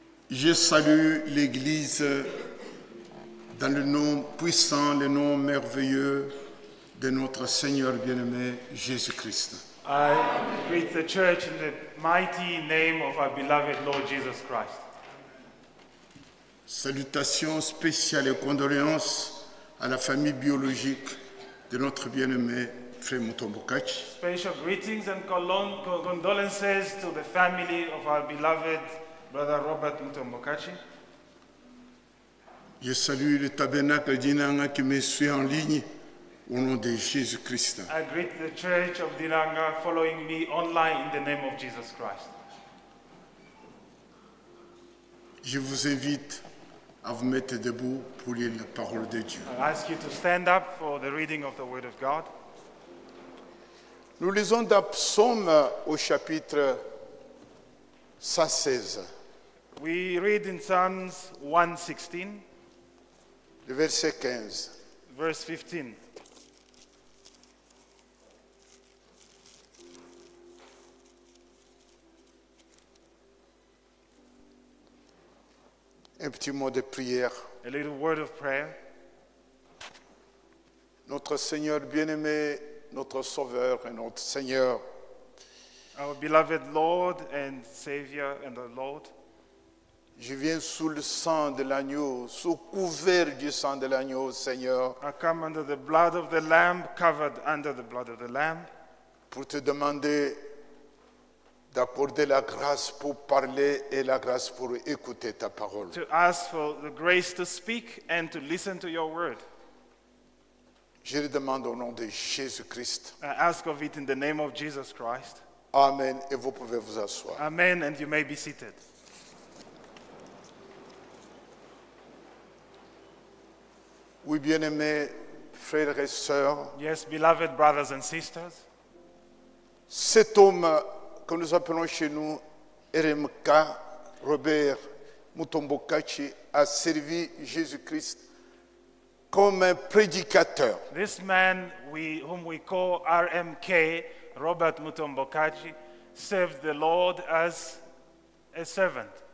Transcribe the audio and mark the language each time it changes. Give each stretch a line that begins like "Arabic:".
French: Je salue l'Église dans le nom puissant, le nom merveilleux de notre Seigneur bien-aimé Jésus-Christ.
English: I greet the church in the mighty name of our beloved Lord Jesus Christ.
French: Salutations spéciales et condoléances à la famille biologique de notre bien-aimé Frère Mutombo Katshi.
English: Special greetings and condolences to the family of our beloved Brother Robert Mutombo Katshi.
French: Je salue le tabernacle d'Inanga qui me suit en ligne au nom de Jésus Christ.
English: I greet the church of Dinanga following me online in the name of Jesus Christ.
French: Je vous invite à vous mettre debout pour lire la parole de Dieu.
English: I ask you to stand up for the reading of the word of God.
French: Nous lisons dans Psaume au chapitre 116.
English: We read in Psalms 116, verse 15.
French: Un petit mot de prière.
English: A little word of prayer.
French: Notre Seigneur bien-aimé, notre Sauveur et notre Seigneur.
English: Our beloved Lord and Savior and our Lord.
French: Je viens sous le sang de l'agneau, sous couvert du sang de l'agneau, Seigneur.
English: I come under the blood of the Lamb, covered under the blood of the Lamb.
French: Pour te demander d'accorder la grâce pour parler et la grâce pour écouter ta parole.
English: To ask for the grace to speak and to listen to your word.
French: Je le demande au nom de Jésus Christ.
English: I ask of it in the name of Jesus Christ.
French: Amen, et vous pouvez vous asseoir.
English: Amen, and you may be seated.
French: Oui, bien-aimés frères et sœurs.
English: Yes, beloved brothers and sisters.
French: Cet homme que nous appelons chez nous RMK, Robert Mutombo Katshi, a servi Jésus-Christ comme un prédicateur.
English: This man, whom we call RMK, Robert Mutombo Katshi, served the Lord as a servant.